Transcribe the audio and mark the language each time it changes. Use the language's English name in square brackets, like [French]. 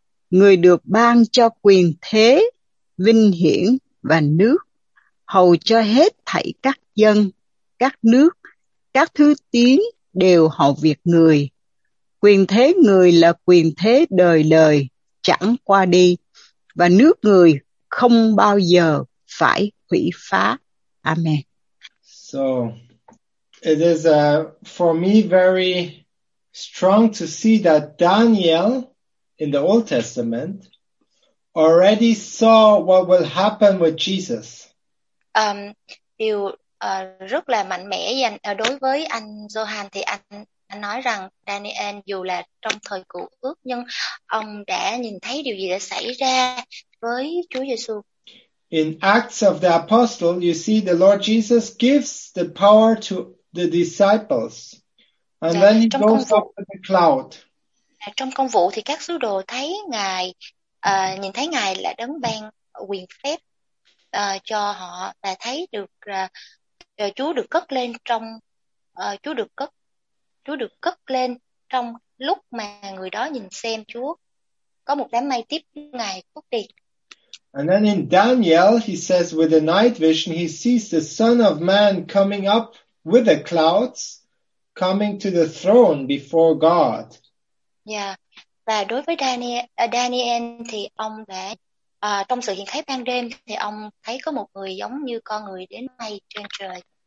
[Vietnamese] Người được ban cho quyền thế, vinh hiển và nước, hầu cho hết thảy các dân, các nước, các thứ tiếng đều hầu việc người. Quyền thế người là quyền thế đời đời, chẳng qua đi, và nước người không bao giờ phải hủy phá. Amen. [English] So, it is for me very strong to see that Daniel in the Old Testament already saw what will happen with Jesus. [Vietnamese] Điều rất là mạnh mẽ dành đối với anh Johan thì anh nói rằng Daniel dù là trong thời cựu ước nhưng ông đã nhìn thấy điều gì đã xảy ra với Chúa Giêsu. [English] In Acts of the Apostles, you see the Lord Jesus gives the power to the disciples, and then he goes up to the cloud. [Vietnamese] Trong công vụ thì các sứ đồ thấy ngài nhìn thấy ngài là đấng ban quyền phép cho họ và thấy được Chúa được cất lên trong Chúa được cất lên trong lúc mà người đó nhìn xem Chúa có một đám mây tiếp ngài phúc đi. [English] And then in Daniel, he says with a night vision, he sees the Son of Man coming up with the clouds, coming to the throne before God. Yeah. [Vietnamese] Và đối với Daniel thì ông đã trong sự hiện thấy ban đêm thì ông thấy có một người giống như con người đến mây trên trời.